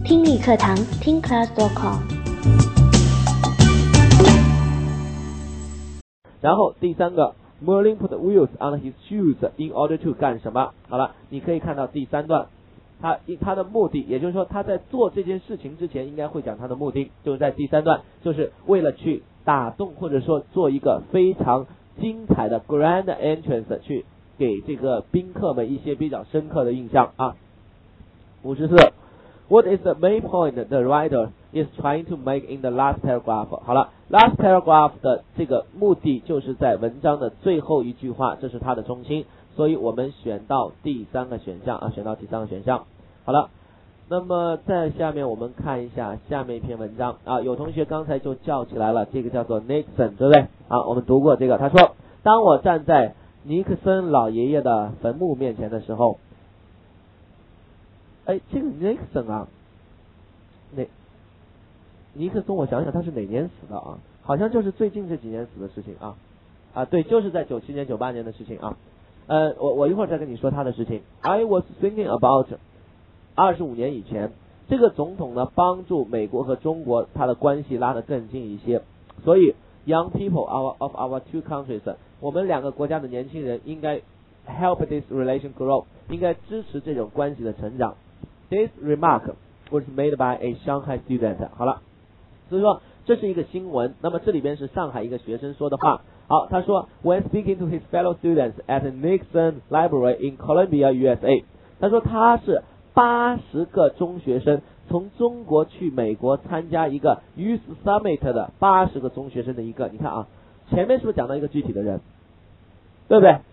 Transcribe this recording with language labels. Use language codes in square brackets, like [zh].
[zh] 理课堂听 class.com。然后第三个 [en] ，Merlin put wheels on his shoes in order to [zh] 干什么？好了，你可以看到第三段，他的目的，也就是说他在做这件事情之前应该会讲他的目的，就是在第三段，就是为了去打动或者说做一个非常精彩的 [en] grand entrance， [zh] 去给这个宾客们一些比较深刻的印象啊。 [en] 54 ，What is the main point the writer is trying to make in the last paragraph？ [zh] 好了。 [en] Last paragraph [zh] 的这个目的就是在文章的最后一句话，这是它的中心，所以我们选到第三个选项啊，选到第三个选项。好了，那么在下面我们看一下下面一篇文章啊，有同学刚才就叫起来了，这个叫做 Nixon， 对不对？啊，我们读过这个，他说，当我站在尼克森老爷爷的坟墓面前的时候，哎，这个 Nixon 啊，尼克松，我想想他是哪年死的啊，好像就是最近这几年死的事情啊，啊对，就是在97年98年的事情啊，我一会儿再跟你说他的事情。 [en] I was thinking about [zh] 25年以前，这个总统呢帮助美国和中国他的关系拉得更近一些，所以 [en] young people of our two countries， [zh] 我们两个国家的年轻人应该 [en] help this relation grow， [zh] 应该支持这种关系的成长。 [en] This remark was made by a Shanghai student。 [zh] 好了，所以说这是一个新闻，那么这里边是上海一个学生说的话。好，他说 [en] When speaking to his fellow students at Nixon Library in Columbia, USA， [zh] 他说他是80个中学生从中国去美国参加一个 [en] Youth Summit [zh] 的80个中学生的一个，你看啊，前面是不是讲到一个具体的人，对不对？